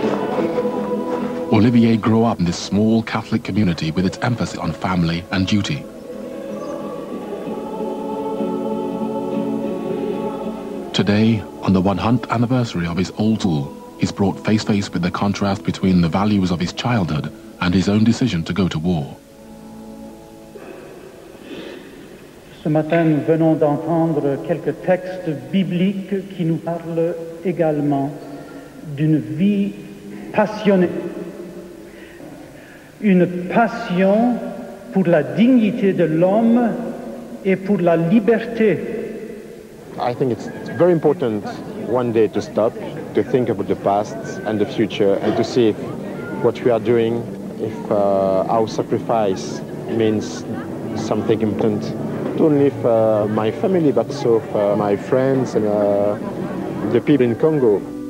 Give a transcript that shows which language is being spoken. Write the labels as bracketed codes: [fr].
[en] Olivier grew up in this small Catholic community with its emphasis on family and duty. Today, on the 100th anniversary of his old school, he's brought face to face with the contrast between the values of his childhood and his own decision to go to war. [fr] Ce matin, nous venons d'entendre quelques textes bibliques qui nous parlent également d'une vie passionnée. une passion pour la dignité de l'homme et pour la liberté. [en] I think it's very important one day to stop, to think about the past and the future, and to see if what we are doing, if our sacrifice means something important, not only for my family, but also for my friends and the people in Congo.